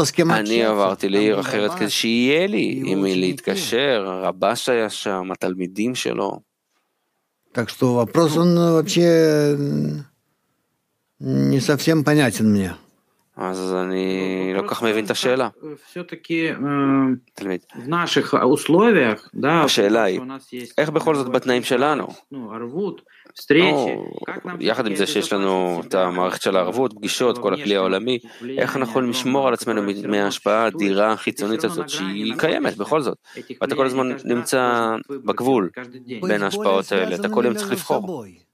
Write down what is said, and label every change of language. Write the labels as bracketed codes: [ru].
[he] אני עברתי לעיר אחרת כדי שיהיה לי עם מי להתקשר. רבש היה שם, התלמידים שלו. [ru] Так что вопрос он вообще не совсем понятен мне. [he] אז אני לא כך מבין את השאלה. [ru] все-таки в наших условиях, да, [he] השאלה היא, איך בכל זאת בתנאים שלנו? [ru] Ну, ערבות, встречи, [he] יחד עם זה שיש לנו את המערכת של הערבות, פגישות, כל הכלי העולמי, איך אנחנו יכולים לשמור על עצמנו מההשפעה האדירה החיצונית הזאת, שהיא קיימת בכל זאת? ואתה כל הזמן נמצא בגבול בין ההשפעות האלה, אתה כל הזמן צריך לבחור.